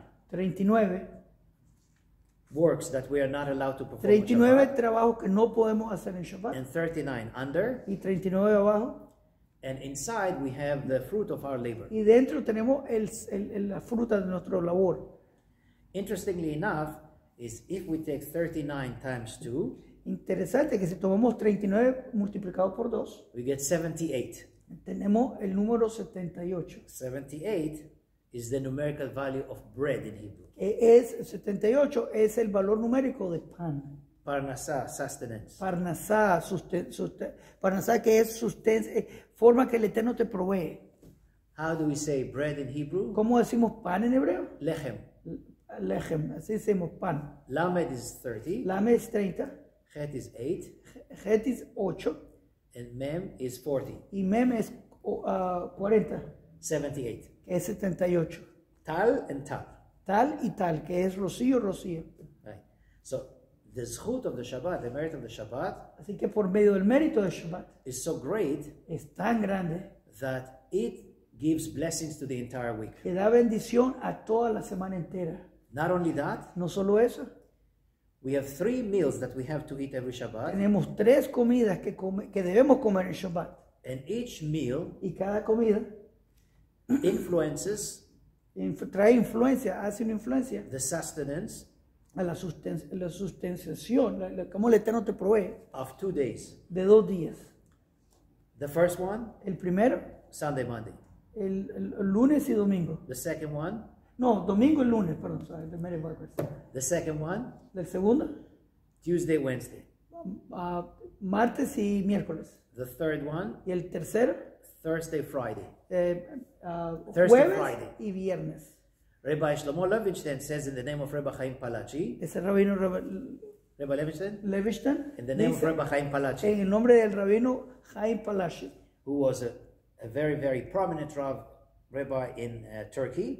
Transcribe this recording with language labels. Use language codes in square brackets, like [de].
[en] 39 works that we are not allowed to perform. [es] 39 trabajos que no podemos hacer en Shabbat. [en] And 39 under. [es] Y 39 abajo. [en] And inside we have the fruit of our labor. [es] Y dentro tenemos la fruta de nuestro labor. [en] Interestingly enough, is if we take 39 times 2. [es] Interesante que si tomamos 39 multiplicado por 2. [en] We get 78. [es] Tenemos el número 78. [en] 78 is the numerical value of bread in Hebrew. [es] Es 78 es el valor numérico de pan. [en] Parnasá, sustenance. [es] Parnasá, parnasá que es sustancia, forma que el Eterno te provee. [en] How do we say bread in Hebrew? [es] ¿Cómo decimos pan en hebreo? [he] Lechem. [es] Lechem, así decimos pan. [en] Lamed is 30. [es] Lamed es 30. [en] Het is 8. Het is 8. And mem is 40. [es] Y mem es 40. [en] 78. [es] Que es 78. [en] Tal and tal. [es] Tal y tal, que es rocío, rocío. [en] Right. So, the zchut of the Shabbat, the merit of the Shabbat, [es] así que por medio del mérito de Shabbat, [en] is so great, [es] es tan grande, [en] that it gives blessings to the entire week. [es] Que da bendición a toda la semana entera. [en] Not only that, [es] no solo eso. [en] We have three meals that we have to eat every Shabbat. [es] Tenemos tres comidas que que debemos comer en Shabbat. [en] And each meal, [es] y cada comida, [en] influences, [es] trae influencia, hace una influencia, [en] the sustenance, [es] a la sustentación, cómo el Eterno te provee, [en] of 2 days, [es] de 2 días. [en] The first one, [es] el primero, [en] Sunday, Monday, [es] el lunes y domingo. [en] The second one, [es] no, domingo y lunes, perdón, [en] sorry, the Mary Barbers. The second one, [es] el segundo, [en] Tuesday, Wednesday, [es] martes y miércoles. [en] The third one, [es] y el tercero, [en] Thursday, Friday, [es] Thursday, jueves, Friday, y viernes. [en] Rabbi Shlomo Levinstein says in the name of Rabbi Chaim Palachi, [es] es el rabino [en] Rabbi Levinstein, [es] Levinstein, [en] in the name of Rabbi Chaim Palachi, [es] en el nombre del rabino Chaim Palachi, [en] who was a very, very prominent rabbi in Turkey,